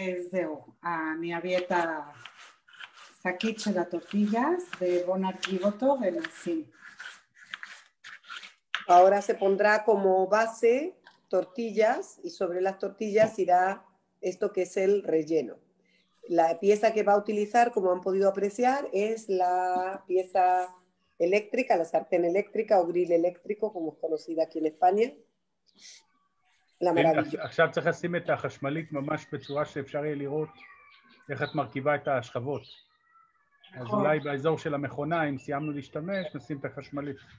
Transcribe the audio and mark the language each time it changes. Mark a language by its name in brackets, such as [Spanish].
[Hebrew] זהו, אני אביא את השקית של הטורטיליאס ובואו נרכיב אותו ונשים. [Spanish] Ahora se pondrá como base tortillas y sobre las tortillas irá esto que es el relleno. La pieza que va a utilizar, como han podido apreciar, es la pieza eléctrica, la sartén eléctrica o grill eléctrico, como es conocida aquí en España. [Hebrew] עכשיו צריך לשים את החשמלית ממש בצורה שאפשר יהיה לראות איך את מרכיבה את השכבות. אז אולי באזור של המכונה, אם סיימנו להשתמש, נשים את החשמלית.